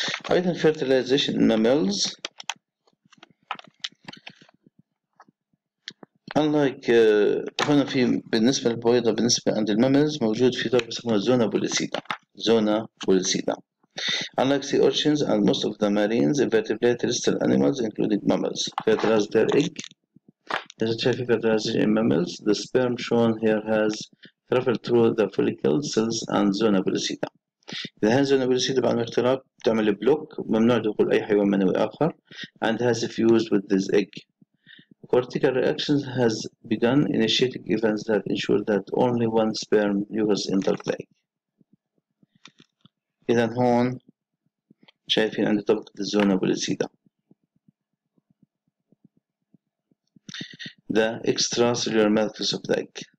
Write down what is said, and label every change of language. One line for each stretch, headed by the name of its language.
Arabic: أيضا
English: fertilization in mammals unlike
Arabic: هنا في بالنسبة للبويضة بالنسبة عند الماملز موجود في طبقة اسمها زونا بوليسيدا.
English: unlike sea urchins and most of the marines invertebrate terrestrial animals including mammals fertilize their egg.
Arabic: إذا تشوفي
English: fertilization in mammals the sperm shown here has traveled through the follicle cells and zona bullosida.
Arabic: إذا هاي الزونة بوليسيدا بعد ما اختراق بتعمل بلوك ممنوع دخول أي حيوان منوي آخر
English: and has fused with this egg. Cortical reactions has begun initiating events that ensure that only one sperm nucleus enters the egg.
Arabic: إذا هون شايفين عند طبقة الزونة بوليسيدا
English: the extracellular matrix of the egg.